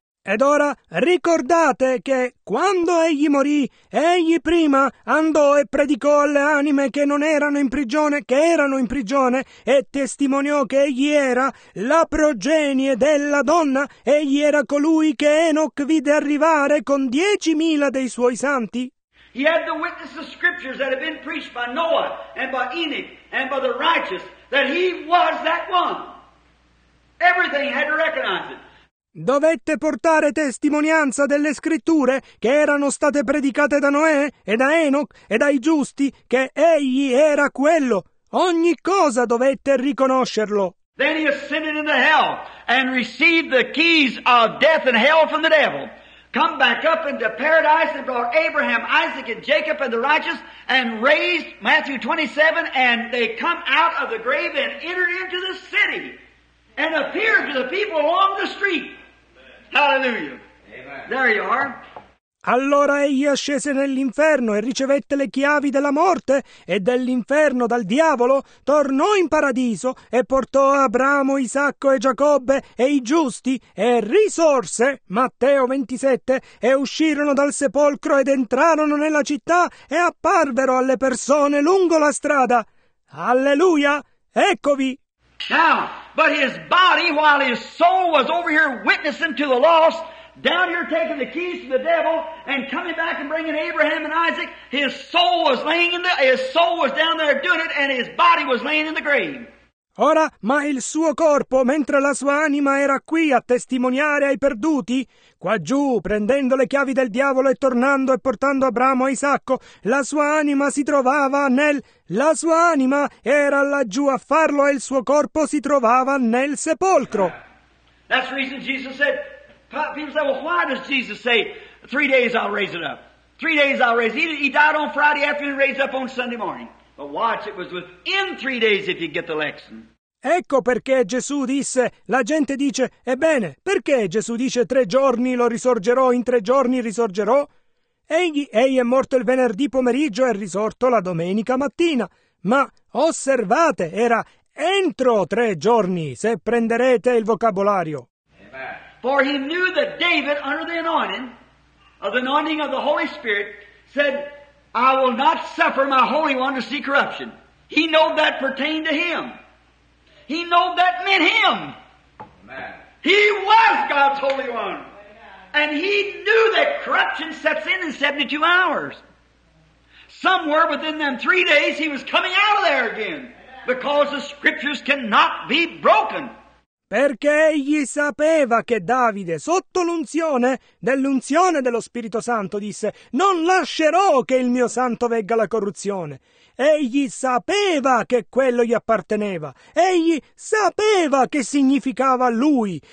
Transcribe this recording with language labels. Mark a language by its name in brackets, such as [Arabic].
[Italian] Ed ora ricordate che quando egli morì, egli prima andò e predicò alle anime che non erano in prigione, che erano in prigione, e testimoniò che egli era la progenie della donna. Egli era colui che Enoch vide arrivare con 10,000 dei suoi santi. [English] He had the witness of scriptures that had been preached by Noah and by Enoch and by the righteous. That he was that one. Everything had to recognize it. [Italian] Dovette portare testimonianza delle scritture che erano state predicate da Noè e da Enoch e dai giusti che egli era quello. Ogni cosa dovette riconoscerlo. [English] Then he ascended into hell and received the keys of death and hell from the devil. come back up into paradise and brought Abraham, Isaac, and Jacob and the righteous and raised, Matthew 27, and they come out of the grave and entered into the city and appeared to the people along the street. Hallelujah. Amen. There you are. [Italian] Allora egli ascese nell'inferno e ricevette le chiavi della morte e dell'inferno dal diavolo, tornò in paradiso e portò Abramo, Isacco e Giacobbe e i giusti e risorse, Matteo 27, e uscirono dal sepolcro ed entrarono nella città e apparvero alle persone lungo la strada. Alleluia! Eccovi! [English] Now, but his body, while his soul was over here witnessing to the lost, down here taking the keys to the devil and coming back and bringing Abraham and Isaac, his soul was down there doing it and his body was laying in the grave. [Italian] Ora, ma il suo corpo, mentre la sua anima era qui a testimoniare ai perduti, qua giù, prendendo le chiavi del diavolo e tornando e portando Abramo a Isacco, la sua anima era laggiù a farlo e il suo corpo si trovava nel sepolcro. [English] That's the reason Jesus said, people say, well, why does Jesus say, 3 days I'll raise it up? 3 days I'll raise it. He died on Friday afternoon, raised up on Sunday morning. But watch, it was within 3 days if you get the lesson. [Italian] Ecco perché Gesù disse, la gente dice, ebbene, perché Gesù dice 3 giorni lo risorgerò, in 3 giorni risorgerò? Egli è morto il venerdì pomeriggio e è risorto la domenica mattina. Ma osservate, era entro 3 giorni, se prenderete il vocabolario. [English] For he knew that David, under the anointing of the Holy Spirit, said, I will not suffer my Holy One to see corruption. He knew that pertained to him. He knew that meant him. Amen. He was God's Holy One. Amen. And he knew that corruption sets in 72 hours. Somewhere within them 3 days, he was coming out of there again. Amen. Because the scriptures cannot be broken. [Italian] Perché egli sapeva che Davide, sotto l'unzione dell'unzione dello Spirito Santo, disse: non lascerò che il mio santo vegga la corruzione. Egli sapeva che quello gli apparteneva. Egli sapeva che significava lui.